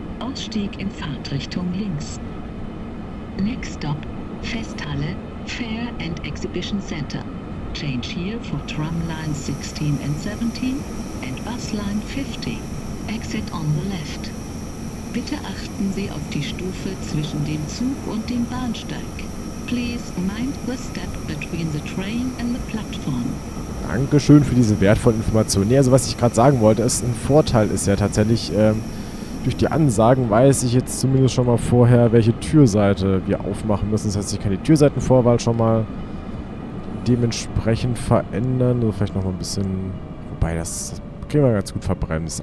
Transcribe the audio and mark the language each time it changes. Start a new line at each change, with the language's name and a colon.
German: Ausstieg in Fahrtrichtung links.
English: Next Stop, Festhalle, Fair and Exhibition Center. Change here for Tramline 16 and 17 and Busline 50. Exit on the left.
German: Bitte achten Sie auf die Stufe zwischen dem Zug und dem Bahnsteig.
English: Please mind the step between the train and the platform.
German: Dankeschön für diese wertvollen Informationen. Nee, also was ich gerade sagen wollte, ist, ein Vorteil ist ja tatsächlich, durch die Ansagen weiß ich jetzt zumindest schon mal vorher, welche Türseite wir aufmachen müssen. Das heißt, ich kann die Türseitenvorwahl schon mal dementsprechend verändern. Also vielleicht noch mal ein bisschen, wobei das kriegen wir ganz gut verbremst.